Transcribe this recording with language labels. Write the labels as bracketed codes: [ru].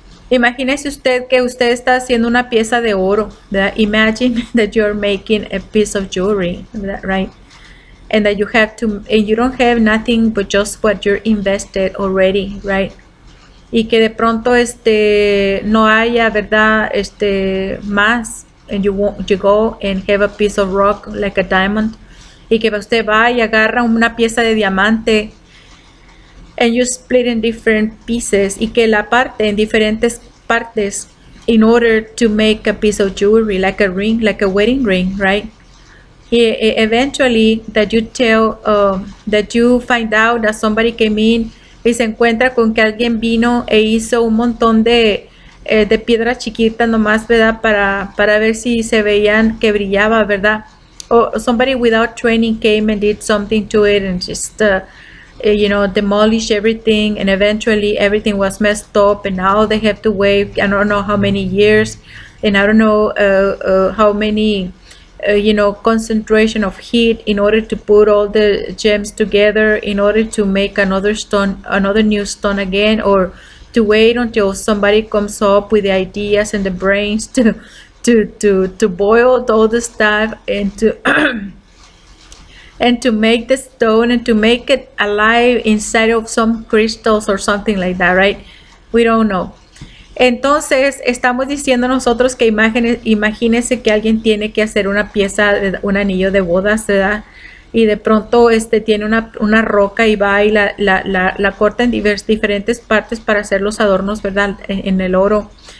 [es] Imagínese usted que usted está haciendo una pieza de oro, ¿verdad? [en] Imagine that you're making a piece of jewelry, ¿verdad? Right? And that you have to, and you don't have nothing but just what you're invested already, right? [es] Y que de pronto no haya, ¿verdad? Más. [en] And you go and have a piece of rock like a diamond. [es] Y que usted va y agarra una pieza de diamante. [en] And you split in different pieces. [es] Y que la parte en diferentes partes. [en] In order to make a piece of jewelry, like a ring, like a wedding ring, right? Y eventually that you that you find out that somebody came in. [es] Y se encuentra con que alguien vino e hizo un montón de piedras chiquitas nomás, ¿verdad? Para ver si se veían que brillaba, ¿verdad? [en] or somebody without training came and did something to it and just you know, demolish everything, and eventually everything was messed up, and now they have to wait I don't know how many years, and I don't know how many you know, concentration of heat in order to put all the gems together in order to make another stone, another new stone again, or to wait until somebody comes up with the ideas and the brains to boil all the stuff and to and to make the stone and to make it alive inside of some crystals or something like that, right? We don't know. [es] Entonces, estamos diciendo nosotros que imagínense que alguien tiene que hacer una pieza, un anillo de bodas, ¿verdad? Y de pronto este tiene una roca y va y la corta en diferentes partes para hacer los adornos, ¿verdad? En el oro.